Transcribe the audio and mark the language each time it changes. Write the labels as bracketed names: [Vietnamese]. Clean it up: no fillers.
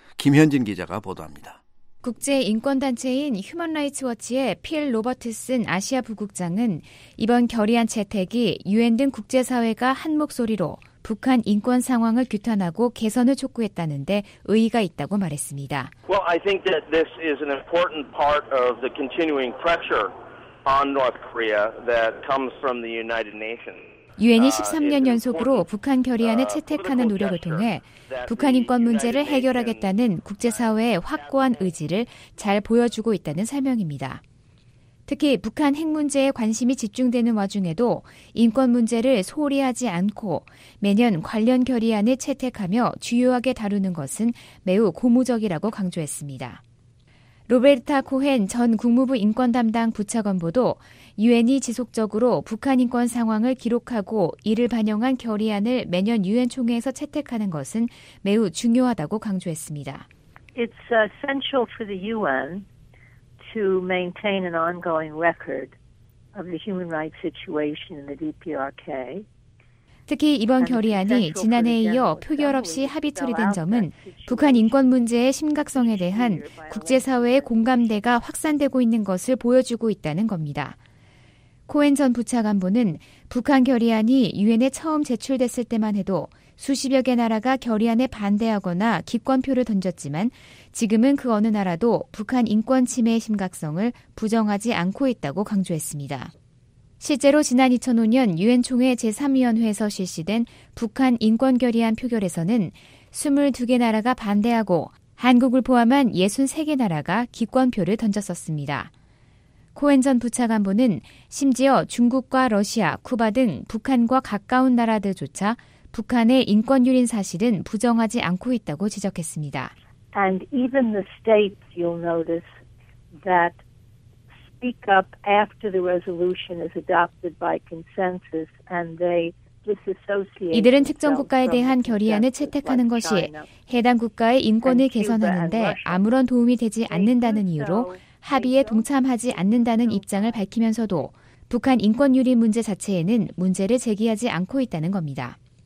[Korean] 김현진 기자가 보도합니다. 국제인권단체인 휴먼라이츠워치의 필 로버트슨 아시아 부국장은 이번 결의안 채택이 유엔 등 국제사회가 한 목소리로 북한 인권 상황을 규탄하고 개선을 촉구했다는데 의의가 있다고 말했습니다. [English] Well, I think that this is an important part of the continuing pressure on North Korea that comes from the United Nations. [Korean] 유엔이 13년 연속으로 북한 결의안을 채택하는 노력을 통해 북한 인권 문제를 해결하겠다는 국제사회의 확고한 의지를 잘 보여주고 있다는 설명입니다. 특히 북한 핵 문제에 관심이 집중되는 와중에도 인권 문제를 소홀히 하지 않고 매년 관련 결의안을 채택하며 주요하게 다루는 것은 매우 고무적이라고 강조했습니다. 로베르타 코헨 전 국무부 인권 담당 부차관보도 유엔이 지속적으로 북한 인권 상황을 기록하고 이를 반영한 결의안을 매년 유엔 총회에서 채택하는 것은 매우 중요하다고 강조했습니다. [English] It's essential for the UN to maintain an ongoing record of the human rights situation in the DPRK. [Korean] 특히 이번 결의안이 지난해에 이어 표결 없이 합의 처리된 점은 북한 인권 문제의 심각성에 대한 국제사회의 공감대가 확산되고 있는 것을 보여주고 있다는 겁니다. 코헨 전 부차관보는 북한 결의안이 유엔에 처음 제출됐을 때만 해도 수십여 개 나라가 결의안에 반대하거나 기권표를 던졌지만 지금은 그 어느 나라도 북한 인권 침해의 심각성을 부정하지 않고 있다고 강조했습니다. 실제로 지난 2005년 유엔 총회 제3위원회에서 실시된 북한 인권 결의안 표결에서는 22개 나라가 반대하고 한국을 포함한 63개 나라가 기권표를 던졌었습니다. 코엔 전 부차관보는 심지어 중국과 러시아, 쿠바 등 북한과 가까운 나라들조차 북한의 인권 유린 사실은 부정하지 않고 있다고 지적했습니다. [English] And even the states, you'll notice that speak up after the resolution is adopted by consensus and they [Korean] 이들은 특정 국가에 대한 결의안을 채택하는 것이 해당 국가의 인권을 개선하는데 아무런 도움이 되지 않는다는 이유로 합의에 동참하지 않는다는 입장을 밝히면서도 북한 인권 유린 문제 자체에는 문제를 제기하지 않고 있다는 겁니다.